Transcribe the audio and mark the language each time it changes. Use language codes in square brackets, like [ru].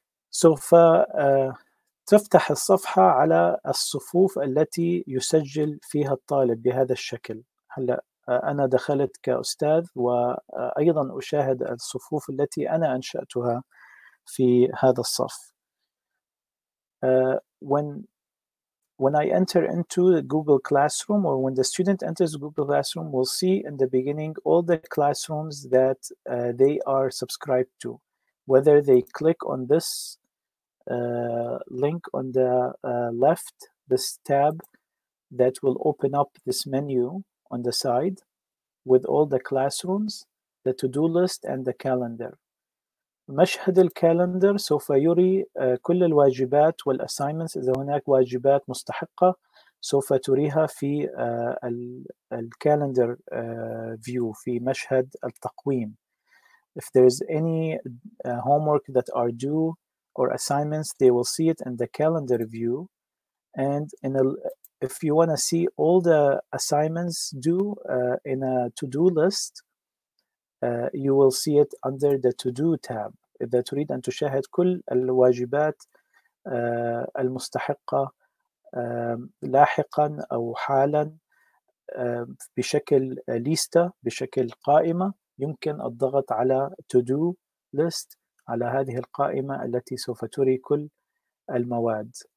[ar] سوف تفتح الصفحة على الصفوف التي يسجل فيها الطالب بهذا الشكل. هلأ أنا دخلت كأستاذ وأيضاً أشاهد الصفوف التي أنا أنشأتها في هذا الصف. [en] When I enter into the Google Classroom or when the student enters Google Classroom, we'll see in the beginning all the classrooms that they are subscribed to. Whether they click on this link on the left, this tab that will open up this menu on the side with all the classrooms, the to-do list and the calendar. [ar] مشهد الكالندر سوف يري كل الواجبات والassignments. إذا هناك واجبات مستحقة سوف تريها في الكالندر view, في مشهد التقويم. [en] If there is any homework that are due or assignments, they will see it in the calendar view. And in a, if you want to see all the assignments due in a to-do list, you will see it under the to-do tab. [ar] إذا تريد أن تشاهد كل الواجبات المستحقة لاحقاً أو حالاً بشكل ليستة, بشكل قائمة, يمكن الضغط على to-do list, على هذه القائمة التي سوف تري كل المواد.